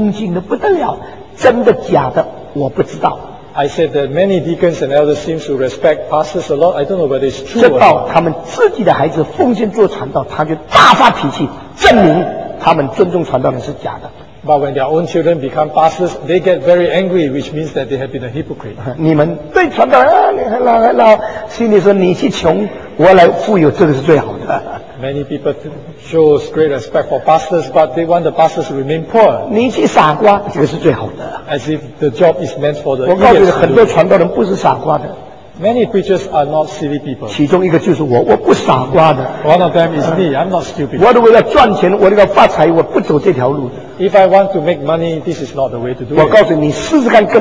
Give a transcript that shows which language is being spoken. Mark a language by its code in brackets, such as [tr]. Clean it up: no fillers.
[zh] 我很多这四长老对牧师恭敬的不得了，真的假的我不知道。 [en] I said that many deacons and elders seem to respect pastors a lot. I don't know whether it's true or not. [zh] 直到他们自己的孩子奉献做传道，他就大发脾气，证明他们尊重传道人是假的。 [en] But when their own children become pastors, they get very angry, which means that they have been a hypocrite. [zh] 你们对传道人，你很老很老，心里说你去穷，我来富有，这个是最好的。 [en] Many people show great respect for pastors, but they want the pastors to remain poor. [zh] 你去傻瓜，这个是最好的。 [en] As if the job is meant for the [zh] 我告诉你，很多传道人不是傻瓜的。 [en] Many preachers are not silly people. [zh] 其中一个就是我，我不傻瓜的。 [en] One of them is me. I'm not stupid. [zh] 我如果要赚钱，我如果发财，我不走这条路的。 [en] If I want to make money, this is not the way to do it.